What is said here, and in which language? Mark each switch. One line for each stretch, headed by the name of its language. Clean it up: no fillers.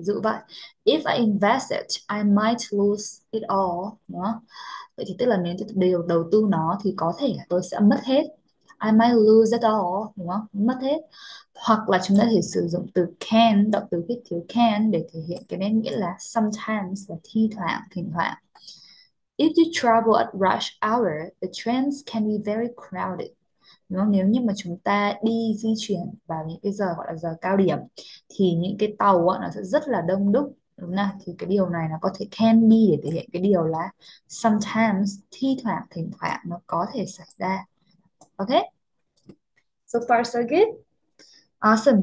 Vietnamese: Ví dụ vậy,
English: if I invest it, I might lose it all.
Vietnamese: Đúng không? Vậy thì tức là nếu đều đầu tư nó thì có thể là tôi sẽ mất hết.
English: I might lose it all,
Vietnamese: đúng không? Mất hết. Hoặc là chúng ta thể sử dụng từ can, động từ khuyết thiếu can để thể hiện cái nét nghĩa là sometimes, là thi thoảng, thỉnh thoảng.
English: If you travel at rush hour, the trains can be very crowded.
Vietnamese: Đúng không? Nếu như mà chúng ta đi di chuyển vào những cái giờ gọi là giờ cao điểm thì những cái tàu đó, nó sẽ rất là đông đúc. Đúng không? Thì cái điều này nó có thể can be để thể hiện cái điều là sometimes, thi thoảng, thỉnh thoảng nó có thể xảy ra. Ok.
English: So far so good. Awesome.